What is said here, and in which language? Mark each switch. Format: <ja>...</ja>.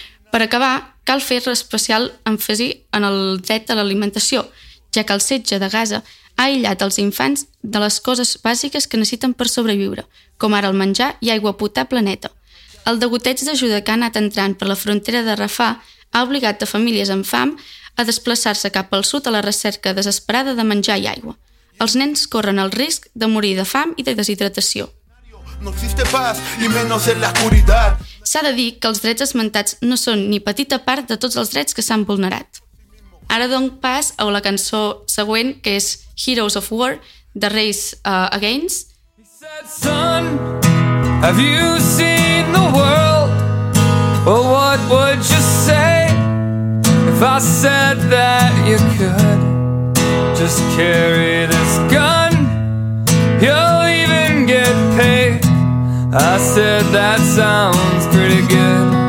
<ca>Per acabar, cal fer especial èmfasi en el dret a l'alimentació, ja que el setge de Gaza ha aïllat els infants de les coses bàsiques que necessiten per sobreviure, com ara el menjar i aigua potable neta. El degoteig d'ajuda que ha anat entrant per la frontera de Rafah ha obligat a famílies amb fam a desplaçar-se cap al sud a la recerca desesperada de menjar i aigua. Els nens corren el risc de morir de fam i de deshidratació.</ca> <es>No existe paz y menos en la oscuridad.</es> <ca>S'ha de dir que els drets esmentats no són ni petita part de tots els drets que s'han vulnerat. Ara dono pas a la cançó següent, que és Heroes of War, de Race Against.</ca> <en>He said, son, have you seen the world? Well, what would you say if I said that you could just carry this gun? You'll even get paid. I said, that sounds pretty good.</en>